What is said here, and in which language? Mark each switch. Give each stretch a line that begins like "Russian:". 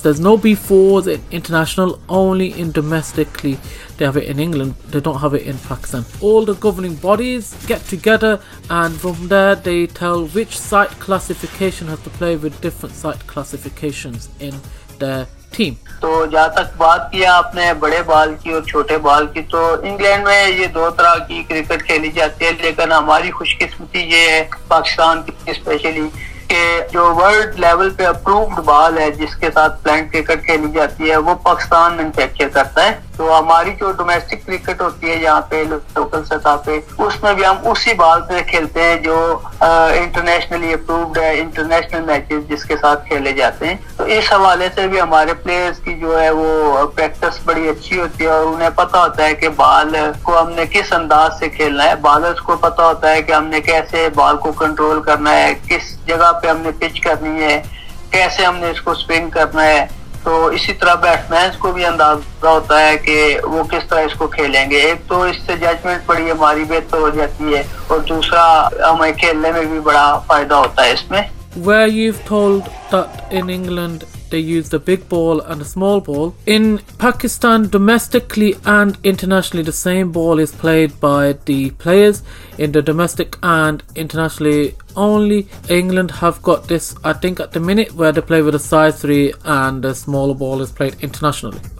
English: There's no B4s in international, only in domestically. They have it in England, they don't have it in Pakistan. All the governing bodies get together and from there they tell which site classification has to play with different site classifications in their team.
Hindi: तो जहाँ तक बात किया आपने बड़े बाल की और छोटे बाल की, तो इंग्लैंड में ये दो तरह की क्रिकेट खेली जाती है, लेकिन हमारी खुशकिस्मती ये है पाकिस्तान की स्पेशली कि जो वर्ल्ड लेवल पे अप्रूव्ड बाल है जिसके साथ प्लांट क्रिकेट खेली जाती है वो पाकिस्तान मैन्युफैक्चर करता है. तो हमारी जो डोमेस्टिक क्रिकेट होती है यहाँ पे लोकल सतह पे, उसमें भी हम उसी बाल पे खेलते हैं जो इंटरनेशनली अप्रूव्ड है, इंटरनेशनल मैचेस जिसके साथ खेले जाते हैं. तो इस हवाले से भी हमारे प्लेयर्स की जो है वो प्रैक्टिस बड़ी अच्छी होती है और उन्हें पता होता है कि बाल को हमने किस अंदाज से खेलना है. बॉलर्स को पता होता है कि हमने कैसे बाल को कंट्रोल करना है, किस जगह पे हमने पिच करनी है, कैसे हमने इसको स्विंग करना है. तो इसी तरह बैट्समैन को भी अंदाजा होता है कि वो किस तरह इसको खेलेंगे. एक तो इससे जजमेंट बड़ी हमारी बेहतर हो जाती है और दूसरा हमें खेलने में भी बड़ा फायदा होता है इसमें.
English: Where you've told that in England they use the big ball and the small ball, in Pakistan domestically and internationally the same ball is played by the players. In the domestic and internationally only, England have got this, I think at the minute, where they play with a size 3 and a smaller ball is played internationally.